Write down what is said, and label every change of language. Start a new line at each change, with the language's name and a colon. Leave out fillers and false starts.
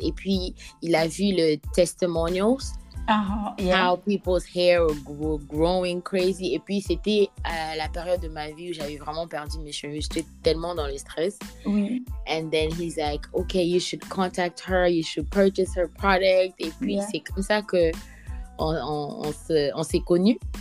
French: Et puis il a vu le
English: testimonials, how people's hair were growing crazy.
French: Et puis c'était la période de ma vie où j'avais vraiment perdu mes cheveux, j'étais tellement dans le stress.
English: And then he's like, okay, you should contact her, you should purchase her product.
French: Et puis c'est comme ça que on s'est connus.